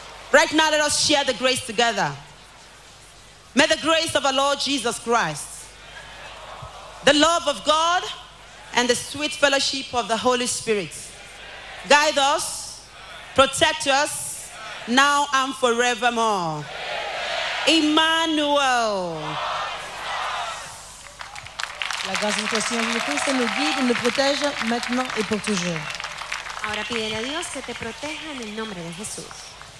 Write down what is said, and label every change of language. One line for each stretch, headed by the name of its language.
English: Right now, let us share the grace together. May the grace of our Lord Jesus Christ, the love of God, and the sweet fellowship of the Holy Spirit guide us, protect us, now and forevermore. Emmanuel.
French: La grâce de notre Seigneur Jésus-Christ nous guide et nous protège maintenant et pour toujours.
Spanish: Ahora pídele a Dios que te proteja en el nombre de Jesús.